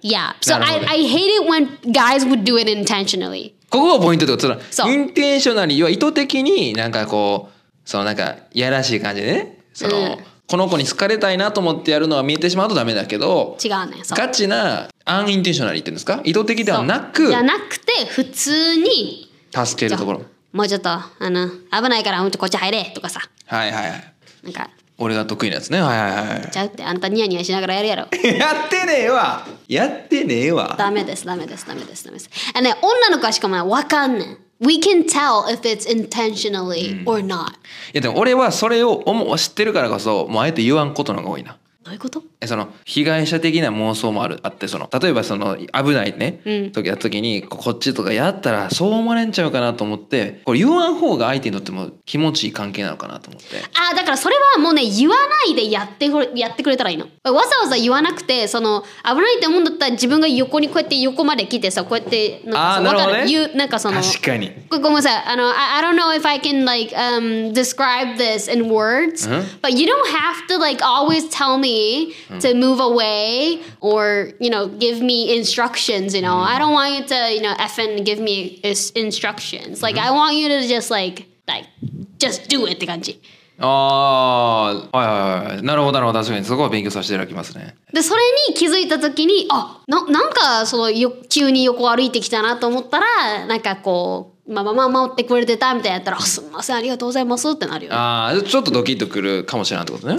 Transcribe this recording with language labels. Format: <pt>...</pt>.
<en>Yeah, so I hate it when guys would do it intentionally.</en> <ja>ここがポイントってこと。そう。Intentionally, 要は意図的になんかこう、そのなんかいやらしい感じでね。その、この子に好かれたいなと思ってやるのは見えてしまうとダメだけど。違うね。そう。ガチな、unintentionally って言うんですか？意図的ではなく。じゃなくて、普通に。助けるところ。もうちょっとあの危ないからうんとこっち入れとかさ、はいはいはい、なんか俺が得意なやつね、はいはいはい、ちゃうってあんたニヤニヤしながらやるやろやってねえわやってねえわ、ダメですダメですダメですダメです、ね、女の子はしかもわかんねん、</ja> <en>We can tell if it's intentionally or not、</en> <ja>いやでも俺はそれを知ってるからこそもうあえて言わんことのが多いな。どういうこと？その被害者的な妄想もあって、その例えばその危ないね、時やった時にこっちとかやったらそう思われんちゃうかなと思って、これ言わん方が相手にとっても気持ちいい関係なのかなと思って。あ、だからそれはもうね、言わないでやってくれたらいいの。わざわざ言わなくて、その危ないって思うんだったら自分が横にこうやって横まで来てさ、こうやってなんかなるほど、ね、言う、なんかその確かに。ごめんなさい、あの</ja> <en>I don't know if I can like describe this in words, but you don't have to like always tell me to move away or you know give me instructions, you know, I don't want you to you know effing give me instructions, like I want you to just like just do it</en> <ja>って感じ。ああ、はいはい、なるほどなるほど、確かにそこは勉強させていただきますね。でそれに気づいた時に、あ、なんかその急に横歩いてきたなと思ったら、なんかこうまあまあまあ守ってくれてたみたいなやったら、すみませんありがとうございますってなるよ。ああ、ちょっとドキッとくるかもしれないってことね。</ja>